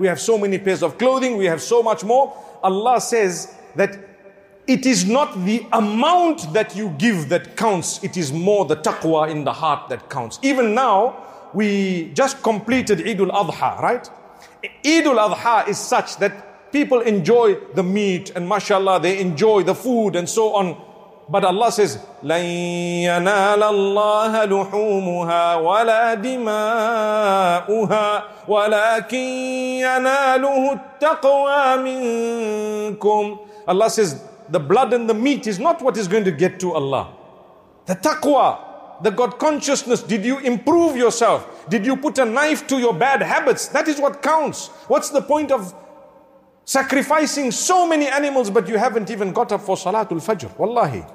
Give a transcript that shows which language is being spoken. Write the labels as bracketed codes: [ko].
[en] We have so many pairs of clothing. We have so much more. Allah says that it is not the amount that you give that counts. It is more the taqwa in the heart that counts. Even now, we just completed Eid al-Adha, right? Eid al-Adha is such that people enjoy the meat and mashallah, they enjoy the food and so on. But Allah says, [ar] لَن يَنَالَ اللَّهَ لُحُومُهَا وَلَا دِمَاؤُهَا وَلَكِن يَنَالُهُ التَّقْوَى مِنْكُمْ. [en] Allah says, the blood and the meat is not what is going to get to Allah. The taqwa, the God consciousness, did you improve yourself? Did you put a knife to your bad habits? That is what counts. What's the point of sacrificing so many animals, but you haven't even got up for Salatul Fajr, wallahi.